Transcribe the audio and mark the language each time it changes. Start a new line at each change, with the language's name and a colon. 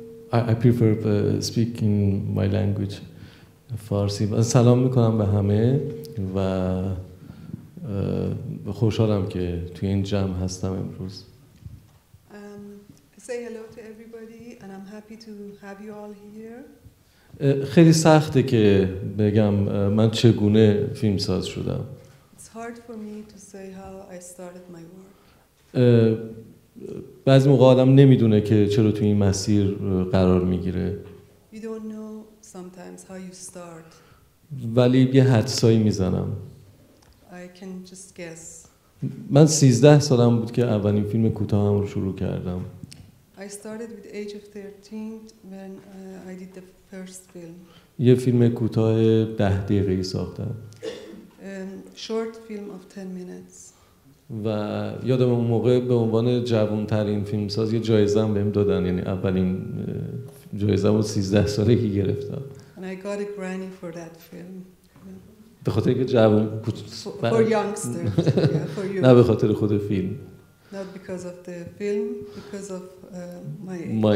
English: I prefer speaking my language, Farsi.
Persian: Salam mikonam be hame va khoshalam ke tu in jam hastam imruz.
English: Say hello to everybody, and I'm happy to have you all here.
Persian: خیلی سخته که بگم من چگونه فیلم ساز شدم.
English: It's hard for me to say how I started my work.
Persian: بعضی موقع آدم نمیدونه که چرا تو این مسیر قرار میگیره.
English: You don't know sometimes how you start.
Persian: ولی یه حدسایی میزنم.
English: I can just guess.
Persian: من 13 سالم بود که اولین فیلم کوتاهم رو شروع کردم.
English: I started with the age of 13 when I did the first film.
Persian: یه فیلم کوتاه 10 دقیقه‌ای ساختم.
English: Short film of 10 minutes.
Persian: و یادم اون موقع به عنوان جوان‌ترین فیلمساز یه جایزه هم بهم دادن، یعنی اولین جایزه رو 13 سالگی گرفتم.
English: And I got a granny for that film.
Persian: به خاطر اینکه جوان بود.
English: For youngsters. Yeah, for you.
Persian: نه به خاطر خود فیلم.
English: Not because of the film, because of my age.